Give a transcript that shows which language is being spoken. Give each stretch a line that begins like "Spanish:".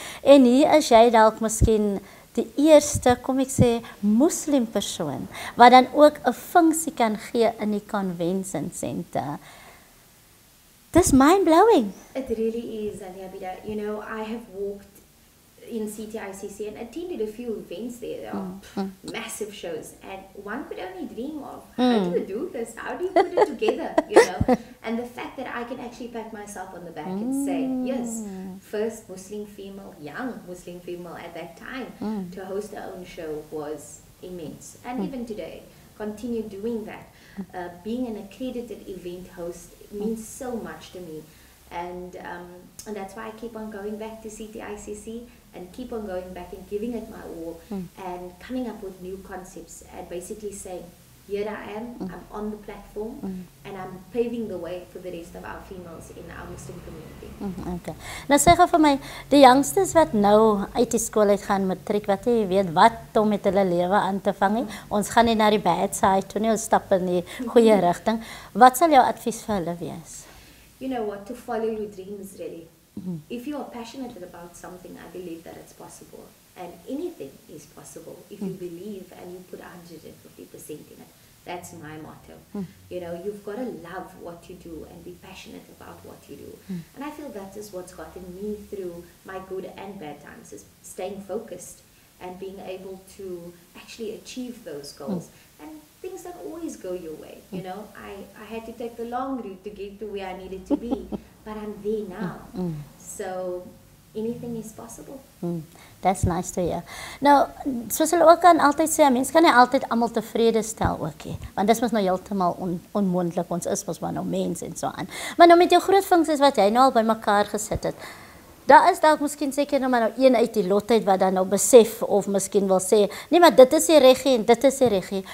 Afrikaans: En hier is jy dalk miskien die eerste, kom ek sê, muslim persoon, wat dan ook 'n funksie kan gee in die convention center. Dis mind-blowing.
English: It really is, Ania Bida. You know, I have walked in CTICC and attended a few events there. There are massive shows, and one could only dream of, how do you do this? How do you put it together, you know? And the fact that I can actually pat myself on the back and say, yes, first Muslim female, young Muslim female at that time, to host her own show was immense. And even today, continue doing that. Being an accredited event host means so much to me. And that's why I keep on going back to CTICC and keep on going back and giving it my all and coming up with new concepts and basically saying, here I am, I'm on the platform, and I'm paving the way for the rest of our females in our Muslim community. Okay.
Afrikaans: Nou sê gou vir my, die youngsters wat nou uit die skool uit gaan matriek, wat jy weet wat om met hulle lewe aan te vang, ons gaan nie na die
English: bad side
Afrikaans: toe nie, ons stap in die goeie rigting. Wat sal jou advies vir hulle wees?
English: You know what, to follow your dreams, really. If you are passionate about something, I believe that it's possible. And anything is possible if you believe and you put 150% in it. That's my motto. You know, you've got to love what you do and be passionate about what you do. And I feel that is what's gotten me through my good and bad times, is staying focused and being able to actually achieve those goals. Mm. And things don't always go your way, you know. I had to take the long route to get to where I needed to be, but I'm there now. Mm. So anything is possible. Mm. That's nice to hear.
Afrikaans: Nou, soos hulle ook kan altyd sê, mens kan nie altyd almal tevrede stel ook nie. Want dis mos nou heeltemal onmoontlik. Ons is mos maar nou mens en so aan. Maar nou met jou groot funksies wat jy nou al bymekaar gesit het, daar is dalk miskien seker nou maar nou een uit die lot uit wat dan nou besef of miskien wil sê, nee, maar dit is die reggie en dit is die reggie.